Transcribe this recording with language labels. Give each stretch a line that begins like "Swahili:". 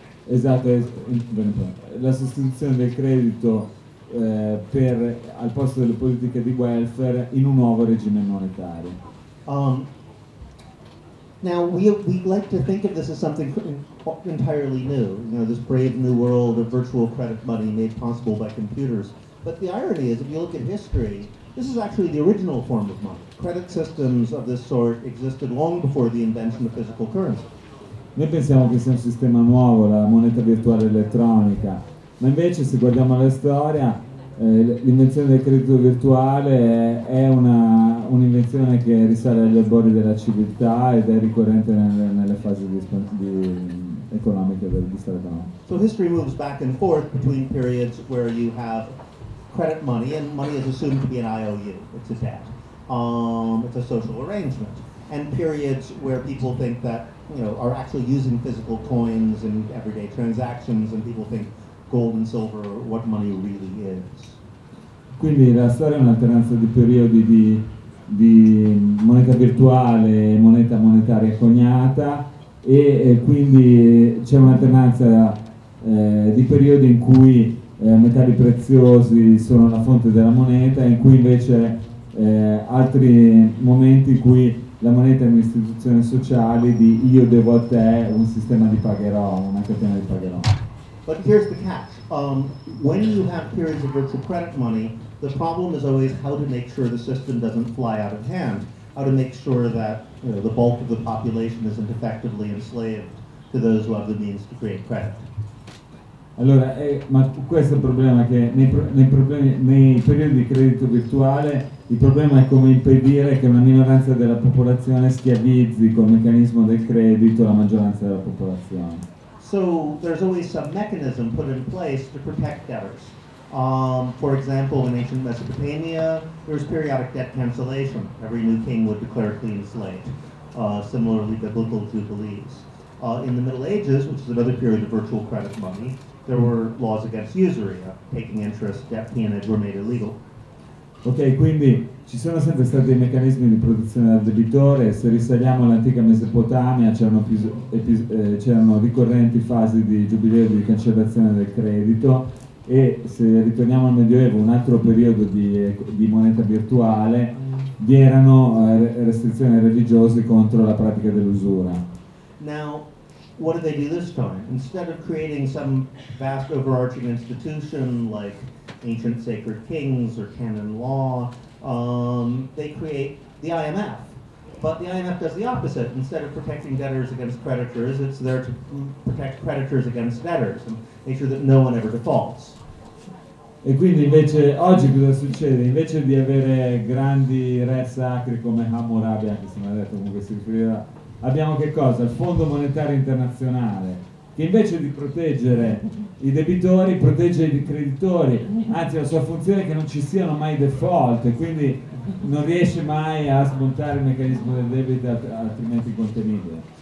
Italian: Esatto, la sostituzione del credito per al posto delle politiche di welfare in un nuovo regime monetario.
English: Now we like to think of this as something entirely new, you know, this brave new world of virtual credit money made possible by computers. But the irony is, if you look at history, this is actually the original form of money. Credit systems of this sort existed long before the invention of physical currency.
Italian: Noi pensiamo che sia un sistema nuovo, la moneta virtuale elettronica. Ma invece, se guardiamo la storia, l'invenzione del credito virtuale è un'invenzione che risale agli albori della civiltà ed è ricorrente nelle fasi di economiche del storico.
English: So history moves back and forth between periods where you have credit money, and money is assumed to be an IOU, it's a debt, it's a social arrangement, and periods where people think that, you know, are actually using physical coins in everyday transactions, and people think gold and silver, what money really is.
Italian: Quindi la storia è un'alternanza di periodi di moneta virtuale e moneta monetaria coniata, e quindi c'è un'alternanza di periodi in cui metalli preziosi sono la fonte della moneta, in cui invece altri momenti in cui la moneta è un'istituzione sociale di io devo a te, un sistema di pagherò, una catena di pagherò.
English: But here's the catch. When you have periods of virtual credit money, the problem is always how to make sure the system doesn't fly out of hand, how to make sure that, you know, the bulk of the population isn't effectively enslaved to those who have the means to create credit.
Italian: Allora, ma questo è il problema, che nei periodi di credito virtuale il problema è come impedire che una minoranza della popolazione schiavizzi col meccanismo del credito la maggioranza della popolazione.
English: So there's always some mechanism put in place to protect debtors. For example, in ancient Mesopotamia, there was periodic debt cancellation. Every new king would declare a clean slate, similarly biblical jubilees. In the Middle Ages, which is another period of virtual credit money, there were laws against usury, taking interest, debt peonage were made illegal.
Italian: Ok, quindi ci sono sempre stati dei meccanismi di protezione del debitore. Se risaliamo all'antica Mesopotamia, c'erano ricorrenti fasi di giubileo di cancellazione del credito. E se ritorniamo al Medioevo, un altro periodo di moneta virtuale, vi erano restrizioni religiose contro la pratica dell'usura.
English: Now, what do they do this time? Instead of creating some vast overarching institution like ancient sacred kings or canon law, they create the IMF. But the IMF does the opposite. Instead of protecting debtors against creditors, it's there to protect creditors against debtors and make sure that no one ever defaults.
Italian: E quindi invece oggi cosa succede? Invece di avere grandi re sacri come Hammurabi, anche se mi ha detto comunque si riferiva, abbiamo che cosa? Il Fondo Monetario Internazionale, che invece di proteggere i debitori protegge i creditori, anzi la sua funzione è che non ci siano mai default, quindi non riesce mai a smontare il meccanismo del debito altrimenti contenibile.